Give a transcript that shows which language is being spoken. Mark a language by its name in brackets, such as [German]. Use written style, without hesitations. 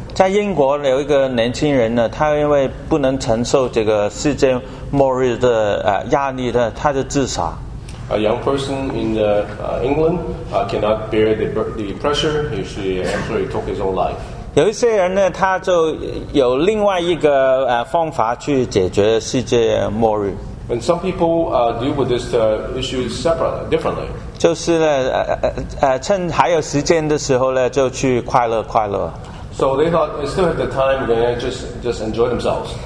[Chinese] 在英国有一个年轻人呢，他因为不能承受这个世界末日的压力呢，他就自杀。 [English] A young person in England cannot bear the pressure, he actually took his own life. [Chinese] 有一些人呢，他就有另外一个方法去解决世界末日。 [English] And some people deal with this issue separately, differently. [Chinese] 就是呢，趁还有时间的时候呢，就去快乐快乐。 [English] So they thought they still have the time, they just enjoy themselves.